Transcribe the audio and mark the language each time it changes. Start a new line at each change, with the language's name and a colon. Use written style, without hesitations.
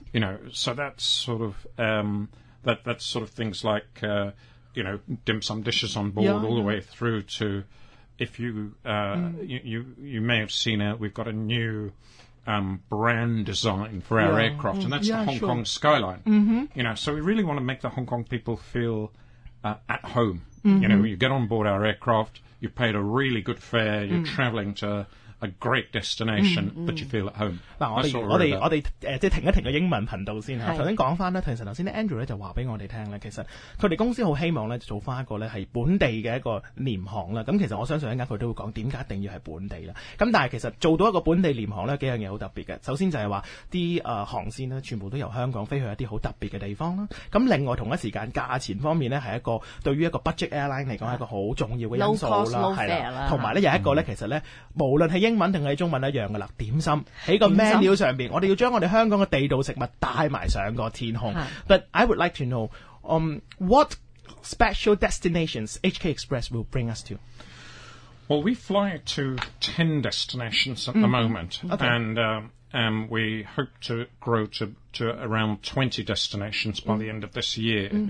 English: You know, so that's sort of, that's sort of things like, you know, dim sum dishes on board the way through to, if you, you may have seen it, we've got a new brand design for our aircraft, and that's the Hong Kong skyline. You know, so we really want to make the Hong Kong people feel at home. You know, you get on board our aircraft, you paid a really good fare, you're traveling to... A great destination, but you feel at home.
Cantonese: 嗱，我哋即係停一停個英文頻道先嚇。首先講翻咧，其實頭先咧 Andrew 咧就話俾我哋聽咧，其實佢哋公司好希望咧做翻一個咧係本地嘅一個廉航啦。咁其實我相信一間佢都會講點解一定要係本地啦。咁但係其實做到一個本地廉航咧，幾樣嘢好特別嘅。首先就係話啲航線咧，全部都由香港飛去一啲好特別嘅地方啦。咁另外同一時間價錢方面咧，係一個對於一個 budget airline 嚟講係一個好重要嘅因素啦，係啦。同埋咧有一個咧，其實咧無論係英文定系中文一样噶啦，点心喺个 menu 上边，我哋要将我哋香港嘅地道食物带埋上个天空。
English: But I would like to know, what special destinations HK Express will bring us to? Well, we fly to 10 destinations at the moment, and we hope to grow to around 20 destinations by the end of this year.